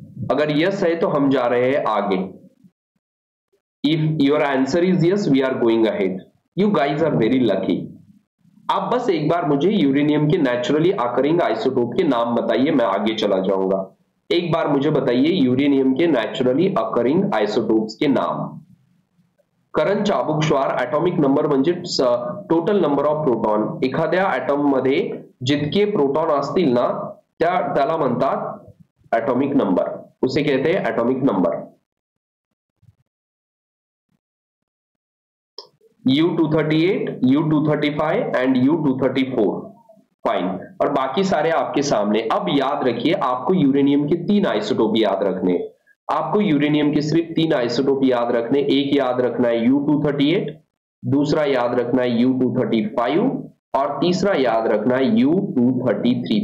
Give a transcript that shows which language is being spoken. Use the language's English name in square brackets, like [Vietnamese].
[Hindi] अगर यस है तो हम जा रहे हैं आगे। [English] If your answer is yes we are going ahead, you guys are very lucky. [Hindi] आप बस एक बार मुझे यूरेनियम के नेचुरली अकरिंग आइसोटोप के नाम बताइए, मैं आगे चला जाऊंगा। एक बार मुझे बताइए यूरेनियम के नेचुरली अकरिंग आइसोटोप के नाम। [Marathi] करण चाबुकश्वार, एटॉमिक नंबर म्हणजे टोटल नंबर ऑफ प्रोटॉन, एखाद्या एटम मध्ये जितके प्रोटॉन असतील ना त्याला म्हणतात एटॉमिक नंबर, [Hindi] उसे कहते हैं atomic number. U238, U235 and U234 fine, और बाकी सारे आपके सामने। अब याद रखिए आपको यूरेनियम के तीन आइसोटोप याद रखने, आपको यूरेनियम के सिर्फ तीन आइसोटोप याद रखने, एक याद रखना है U238, दूसरा याद रखना है U235 और तीसरा याद रखना है U233।